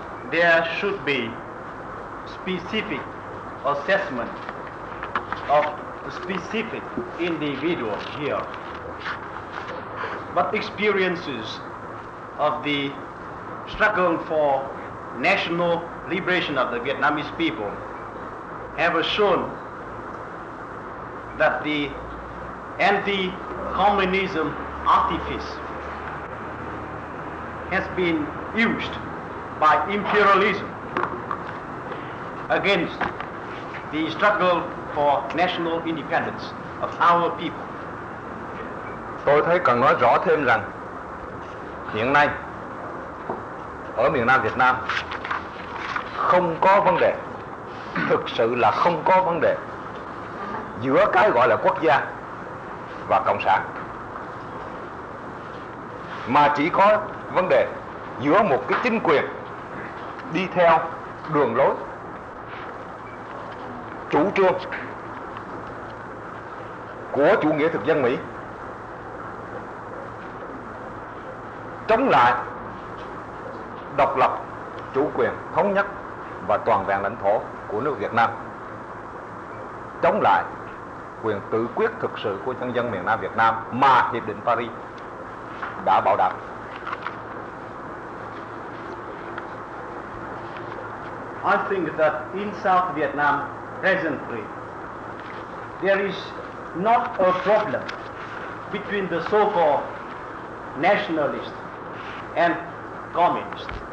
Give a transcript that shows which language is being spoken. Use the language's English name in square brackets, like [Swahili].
[English] There should be specific assessment of a specific individual here, but experiences of the struggle for national liberation of the Vietnamese people have shown that the anti-communism artifice has been used by imperialism against the struggle for national independence of our people. [Vietnamese] Tôi thấy cần nói rõ thêm rằng hiện nay ở miền Nam Việt Nam không có vấn đề, thực sự là không có vấn đề giữa cái gọi là quốc gia và cộng sản, mà chỉ có vấn đề giữa một cái chính quyền đi theo đường lối chủ trương của chủ nghĩa thực dân Mỹ chống lại độc lập, chủ quyền, thống nhất và toàn vẹn lãnh thổ của nước Việt Nam, chống lại quyền tự quyết thực sự của nhân dân miền Nam Việt Nam mà Hiệp định Paris đã bảo đảm. [English] I think that in South Vietnam presently, there is not a problem between the so-called nationalist and communist.